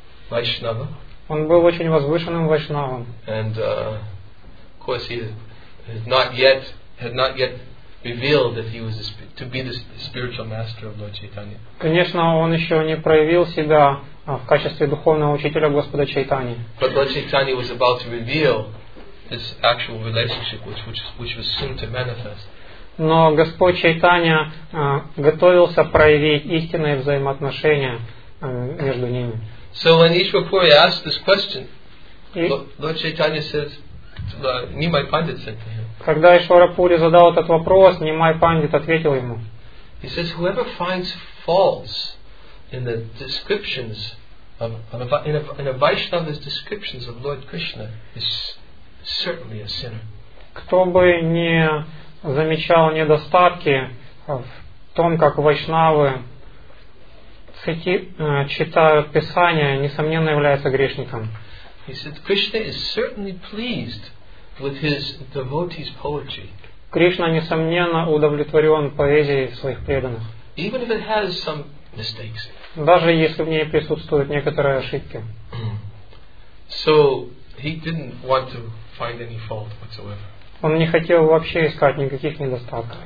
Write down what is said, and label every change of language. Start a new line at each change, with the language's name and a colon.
Russian: Он был очень возвышенным вайшнавом.
English: And of course he had not yet revealed that he was to be the spiritual master of Lord Chaitanya.
Russian: Конечно, он еще не проявил себя в качестве духовного учителя Господа Чайтани.
English: But Lord Chaitanya was about to reveal this actual relationship which was soon to manifest.
Russian: Но Господь Чайтанья готовился проявить истинные взаимоотношения между ними.
English: So when Ishwarapuri asked this question, Lord Chaitanya says, Nimai Pandit said to him.
Russian: Когда Ишварапури задал этот вопрос, Nimai Pandit ответил ему.
English: He says, whoever finds faults in the descriptions in a Vaishnava's descriptions of Lord Krishna is certainly a sinner.
Russian: Кто бы не замечал недостатки в том, как вайшнавы читают Писание, несомненно является грешником.
English: He said, Krishna is certainly pleased with his devotees' poetry.
Russian: Кришна несомненно удовлетворен поэзией своих преданных.
English: Even if it has some mistakes.
Russian: Даже если в ней присутствуют некоторые ошибки.
English: So he didn't want to find any fault whatsoever.
Russian: Он не хотел вообще искать никаких недостатков.